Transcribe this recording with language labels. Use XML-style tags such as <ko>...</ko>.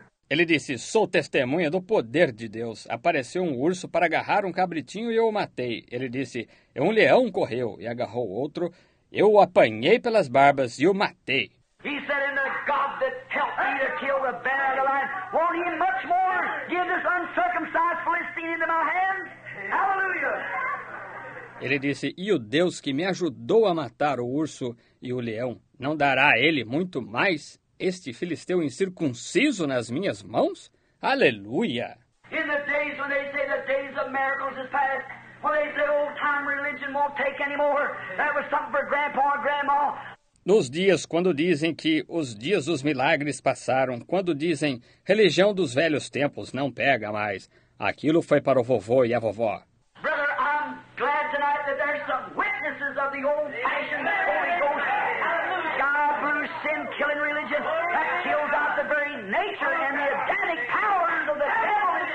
<pt>Ele disse, sou testemunha do poder de Deus. Apareceu um urso para agarrar um cabritinho e eu o matei. Ele disse, um leão correu e agarrou outro. Eu o apanhei pelas barbas e o matei.</pt> <en>He said, in the God that helped me to kill the bear of the lion, won't he much more give this uncircumcised Philistine into my hands? Hallelujah!</en> <pt>Ele disse, e o Deus que me ajudou a matar o urso e o leão, não dará a ele muito mais este filisteu incircunciso nas minhas mãos? Aleluia!</pt> <en>In the days when they say the days of miracles is past, when they say old-time religion won't take anymore, that was something for grandpa and grandma.</en> <pt>Nos dias quando dizem que os dias dos milagres passaram, quando dizem religião dos velhos tempos não pega mais, aquilo foi para o vovô e a vovó.</pt> <en>Brother, I'm glad tonight that there's some witnesses of the old-fashioned Holy Ghost, God-blue, sin-killing religion that kills out the very nature and the Adamic powers of the devil.</en>